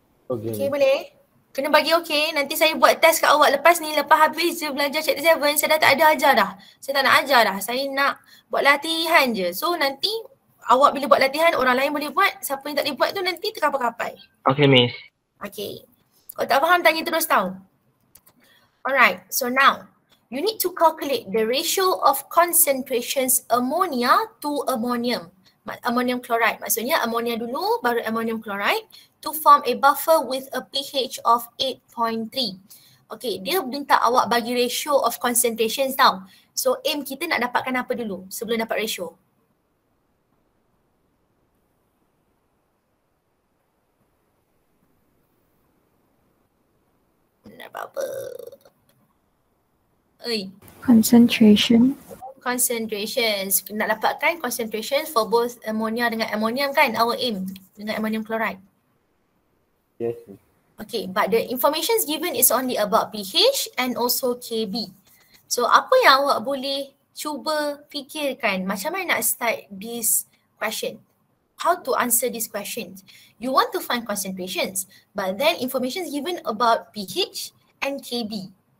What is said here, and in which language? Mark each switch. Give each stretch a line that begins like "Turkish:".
Malay: Okay. Okay boleh? Kena bagi okay, nanti saya buat test kat awak lepas ni. Lepas habis je belajar chapter 7, saya dah tak ada ajar dah. Saya tak nak ajar dah, saya nak buat latihan je. So nanti awak bila buat latihan, orang lain boleh buat. Siapa yang tak boleh buat tu nanti terkapai-kapai.
English: Okay miss.
Malay: Okay. Kalau tak faham, tanya terus tau.
English: Alright, so now you need to calculate the ratio of concentrations ammonia to ammonium.
Malay: Ammonium chloride, maksudnya ammonia dulu baru ammonium chloride,
English: to form a buffer with a pH of 8.3.
Malay: Okay, dia minta awak bagi
English: ratio of concentrations
Malay: tau. So aim kita nak dapatkan apa dulu sebelum dapat ratio? Apa? Oi.
English: Concentrations.
Malay: Nak dapatkan concentration
English: for both
Malay: ammonia dengan ammonium kan?
English: Our aim
Malay: dengan
English: ammonium chloride. Yes. Okay, but the information given is only about pH and also KB.
Malay: So apa yang awak boleh cuba fikirkan? Macam mana nak
English: start this question? How to answer this question? You want to find concentrations, but then information given about pH and KB.